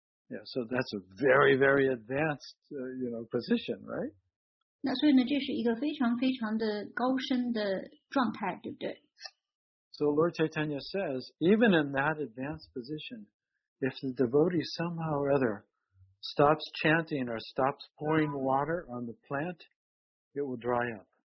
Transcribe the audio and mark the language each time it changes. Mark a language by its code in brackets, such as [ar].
[en] Yeah, so that's a very, very advanced, you know, position, right? [zh] 那所以呢，这是一个非常非常的高深的状态，对不对？ [en] So Lord Chaitanya says, even in that advanced position, if the devotee somehow or other stops chanting or stops pouring water on the plant, it will dry up.